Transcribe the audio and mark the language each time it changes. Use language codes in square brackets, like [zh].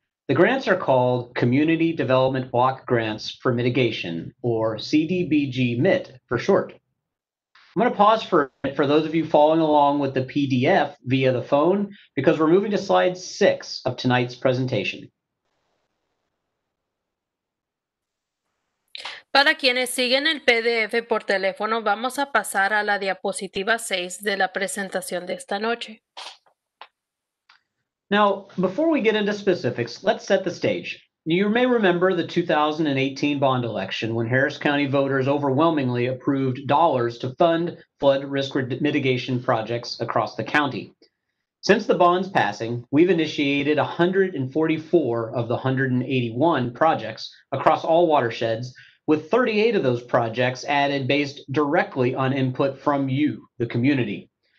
[en] The grants are called Community Development Block Grants for Mitigation, or CDBG-MIT for short. I'm going to pause for a minute for those of you following along with the PDF via the phone, because we're moving to slide 6 of tonight's presentation. [es] Para quienes siguen el PDF por teléfono, vamos a pasar a la diapositiva 6 de la presentación de esta noche. [en] Now, before we get into specifics, let's set the stage. You may remember the 2018 bond election when Harris County voters overwhelmingly approved dollars to fund flood risk mitigation projects across the county. Since the bond's passing, we've initiated 144 of the 181 projects across all watersheds, with 38 of those projects added based directly on input from you, the community.